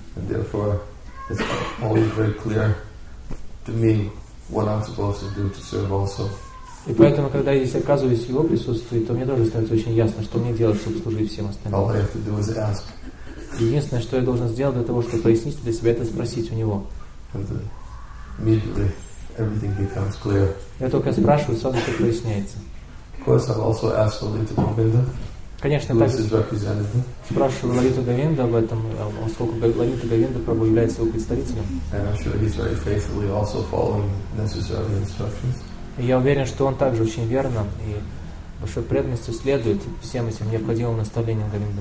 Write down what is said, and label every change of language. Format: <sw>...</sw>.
<en>And therefore, it's always very clear to me what I'm supposed to do to serve also.</en> <ru>И поэтому, когда я здесь оказываюсь в его присутствии, то мне тоже становится очень ясно, что мне делать, чтобы служить всем остальным.</ru> <en>All I have to do is ask.</en> <ru>Единственное, что я должен сделать для того, чтобы прояснить для себя, это спросить у него.</ru> <en>Immediately everything becomes clear.</en> <ru>Я только спрашиваю, сразу все проясняется.</ru> <en>Of course, I've also asked Lalita Govinda.</en> <ru>Конечно, спрашиваю Лалиту Говинда об этом, поскольку Лалита Говинда Прабху является его представителем.</ru> <en>And I'm sure he's very faithfully also following necessary instructions.</en> <ru>И я уверен, что он также очень верно и большой преданностью следует всем этим необходимым наставлениям Говинды</ru>